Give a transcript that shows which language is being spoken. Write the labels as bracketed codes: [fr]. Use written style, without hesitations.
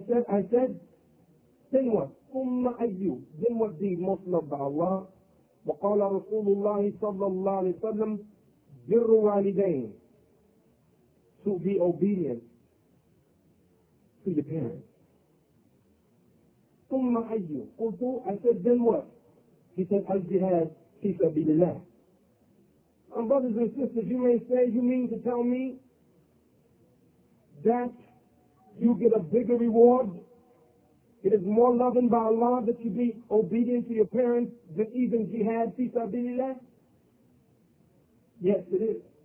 [en] I said, then what? [ar] Umma ayyu. [en] Then what deed most loved by Allah? [ar] وقال رسول الله صلى الله عليه وسلم بر والدين. [en] To be obedient to your parents. [ar] ثم حج قلت [en] I said then what? He said [ar] الجهاد في سبيل الله. [en] And brothers and sisters, you may say, you mean to tell me that you get a bigger reward? It is more loving by Allah that you be obedient to your parents than even jihad fi sabilillah? Yes, it is.